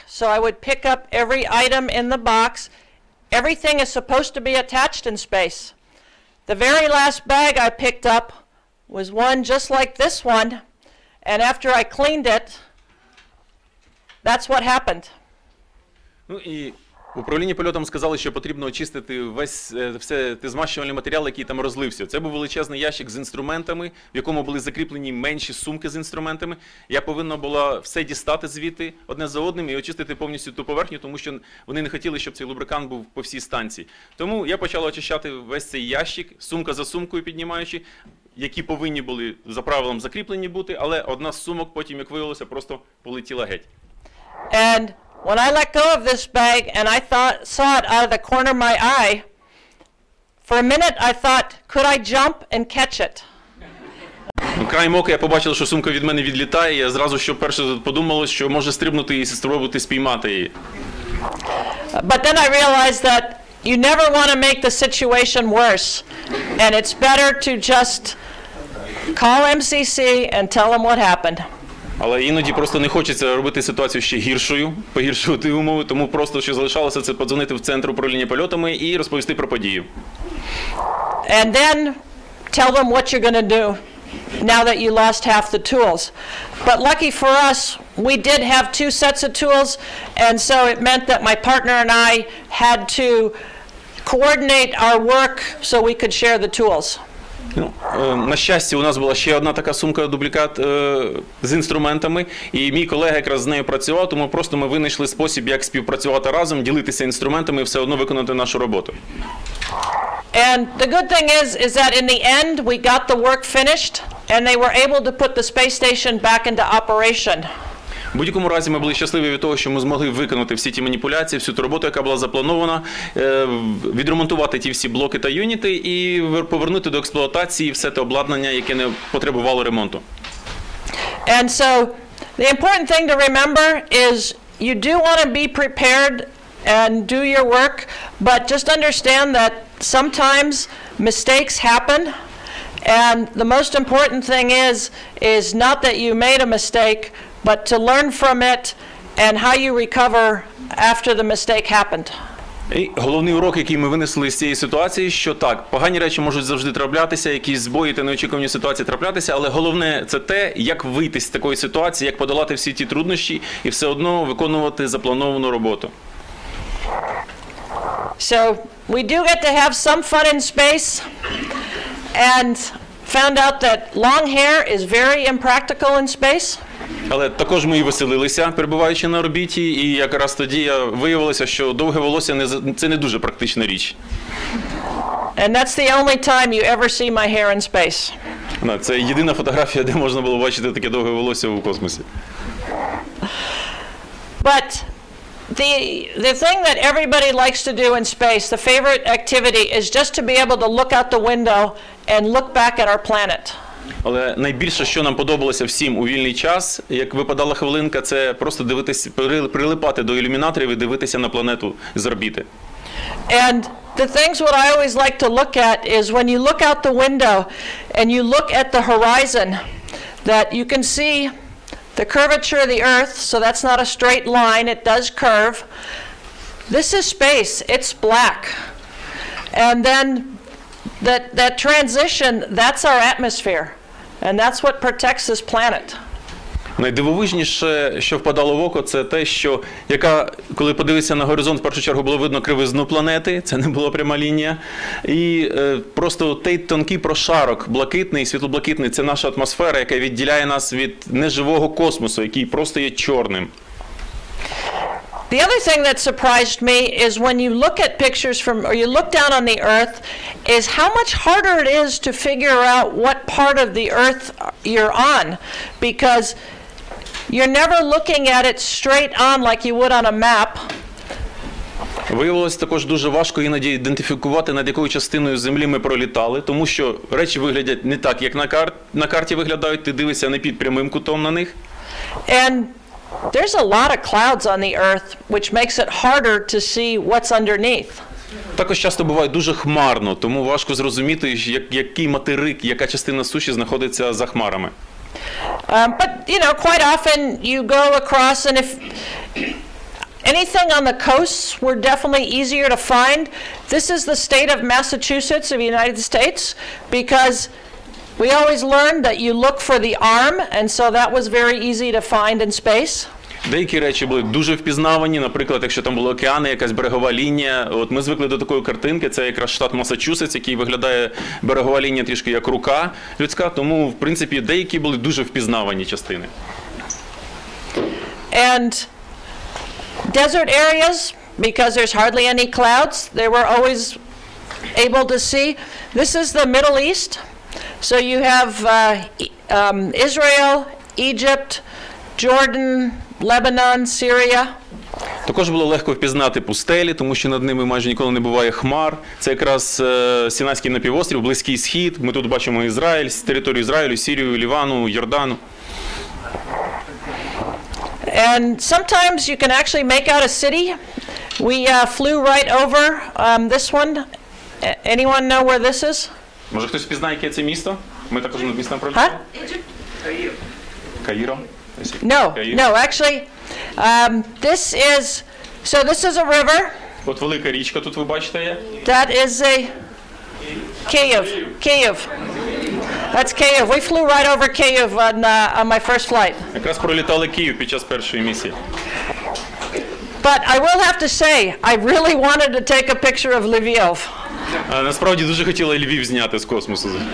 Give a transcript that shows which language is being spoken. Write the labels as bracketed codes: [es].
[en] So I would pick up every item in the box. Everything is supposed to be attached in space. The very last bag I picked up was one just like this one, and after I cleaned it, that's what happened. [uk] Управління польотом сказали, що потрібно очистити все той змащувальний матеріал, який там розлився. Це був величезний ящик з інструментами, в якому були закріплені менші сумки з інструментами. Я повинна була все дістати звідти одне за одним і очистити повністю ту поверхню, тому що вони не хотіли, щоб цей лубрикант був по всій станції. Тому я почала очищати весь цей ящик, сумка за сумкою піднімаючи, які повинні були за правилом закріплені бути, але одна з сумок потім, як виявилося, просто полетіла геть. [en] And when I let go of this bag and I thought, saw it out of the corner of my eye, for a minute I thought, could I jump and catch it? [uk] Краєм ока я побачив, що сумка від мене відлітає, я зразу що перше подумав, що може стрибнути і спробувати спіймати її. [en] But then I realized that you never want to make the situation worse, and it's better to just call MCC and tell them what happened. [uk] Але іноді просто не хочеться робити ситуацію ще гіршою, погіршувати умови, тому просто ще залишалося це подзвонити в центр управління польотами і розповісти про подію. [en] And then tell them what you're going to do now that you lost half the tools. But lucky for us, we did have two sets of tools, and so it meant that my partner and I had to coordinate our work so we could share the tools. [uk] На щастя, у нас була ще одна така сумка, дублікат з інструментами, і мій колега якраз з нею працював, тому просто ми винайшли спосіб, як співпрацювати разом, ділитися інструментами і все одно виконати нашу роботу. [en] And the good thing is that in the end we got the work finished and they were able to put the space station back into operation. [uk] В будь-якому разі ми були щасливі від того, що ми змогли виконати всі ті маніпуляції, всю ту роботу, яка була запланована, відремонтувати ті всі блоки та юніти і повернути до експлуатації все те обладнання, яке не потребувало ремонту. [en] And so the important thing to remember is you do want to be prepared and do your work, but just understand that sometimes mistakes happen. And the most important thing is not that you made a mistake, but to learn from it and how you recover after the mistake happened. [uk] І головний урок, який ми винесли з цієї ситуації, що так, погані речі можуть завжди траплятися, якісь збої та неочікувані ситуації траплятися, але головне це те, як вийти з такої ситуації, як подолати всі ті труднощі і все одно виконувати заплановану роботу. [en] So, we do get to have some fun in space and found out that long hair is very impractical in space. [uk] Але також ми і веселилися, перебуваючи на орбіті, і якраз тоді виявилося, що довге волосся це не дуже практична річ. [en] And that's the only time you ever see my hair in space. [uk] Це єдина фотографія, де можна було бачити таке довге волосся у космосі. [en] But the thing that everybody likes to do in space, the favorite activity, is just to be able to look out the window and look back at our planet. [uk] Але найбільше, що нам подобалося всім у вільний час, як випадала хвилинка, це просто дивитися, прилипати до ілюмінаторів і дивитися на планету з орбіти. [en] And the things what I always like to look at is when you look out the window and you look at the horizon, that you can see the curvature of the Earth, so that's not a straight line, it does curve. This is space, it's black. And then that transition, that's our atmosphere. And that's what protects this planet. [uk] Найдивовижніше, що впадало в око, це те, що яка, коли подивитися на горизонт, в першу чергу було видно кривизну планети, це не була пряма лінія, і просто той тонкий прошарок, блакитний, світлоблакитний, це наша атмосфера, яка відділяє нас від неживого космосу, який просто є чорним. [en] The other thing that surprised me is when you look at pictures from, or you look down on the Earth, is how much harder it is to figure out what part of the Earth you're on, because you're never looking at it straight on like you would on a map. [uk] Виявилось також дуже важко іноді ідентифікувати, над якою частиною Землі ми пролітали, тому що речі виглядять не так, як на карті виглядають, ти дивишся не під прямим кутом на них. [en] And there's a lot of clouds on the Earth, which makes it harder to see what's underneath. [uk] Також часто буває дуже хмарно, тому важко зрозуміти, який материк, яка частина суші знаходиться за хмарами. [en] But you know, quite often you go across, and if anything on the coasts were definitely easier to find, this is the state of Massachusetts of the United States, because we always learned that you look for the arm, and so that was very easy to find in space. [uk] Деякі речі були дуже впізнавані, наприклад, якщо там були океани, якась берегова лінія. От ми звикли до такої картинки, це якраз штат Масачусетс, який виглядає берегова лінія трішки як рука людська, тому, в принципі, деякі були дуже впізнавані частини. [en] And desert areas, because there's hardly any clouds, they were always able to see. This is the Middle East, so you have Israel, Egypt, Jordan, Lebanon, Syria. [uk] Також було легко впізнати пустелі, тому що над ними майже ніколи не буває хмар. Це якраз Сінайський напівострів, Близький Схід. Ми тут бачимо Ізраїль, територію Ізраїлю, Сирію, Лівану, Йордану. [en] And sometimes you can actually make out a city. We flew right over this one. Anyone know where this is? [uk] Може хтось впізнає, яке це місто? Ми також над містом пролітали. Каїро. Каїро. [en] No, actually, this is a river. [uk] От велика річка тут ви бачите є. [en] That is a Kyiv. Kyiv. That's Kyiv. We flew right over Kyiv on my first flight. [uk] Якраз пролітали Київ під час першої місії. [en] But I will have to say, I really wanted to take a picture of Lviv. [uk] Насправді дуже хотіла Львів зняти з космосу.